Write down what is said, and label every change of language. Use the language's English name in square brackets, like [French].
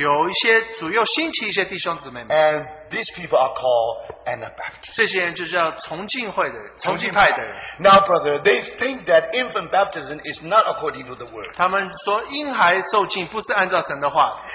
[Chinese] 有一些主又兴起一些弟兄姊妹们, [English] and these people are called Anabaptists. [Chinese] 这些人就叫崇敬会的人, 崇敬派的人。 [English] Now, brother, they think that infant baptism is not according to the word. [Chinese] 他们说婴孩受浸不是按照神的话。